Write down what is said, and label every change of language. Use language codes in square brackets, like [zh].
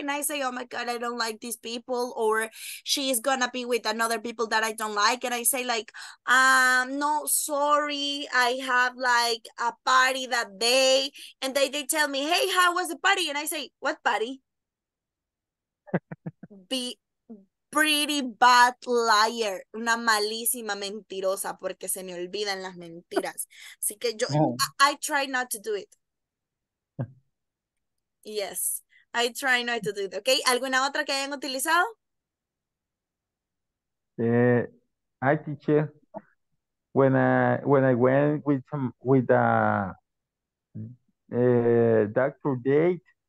[en] And I say, oh my God, I don't like these people, or she's gonna be with another people that I don't like. And I say like, no, sorry, I have like a party that day. And they tell me, hey, how was the party? And I say, what party? Pretty bad liar, [es] una malísima mentirosa, porque se me olvidan las mentiras. Así que yo, [en] I try not to do it. Yes, I try not to do it. Okay, [es] ¿alguna otra que hayan utilizado? [en] Hi, teacher. When I went with some, with a doctor date,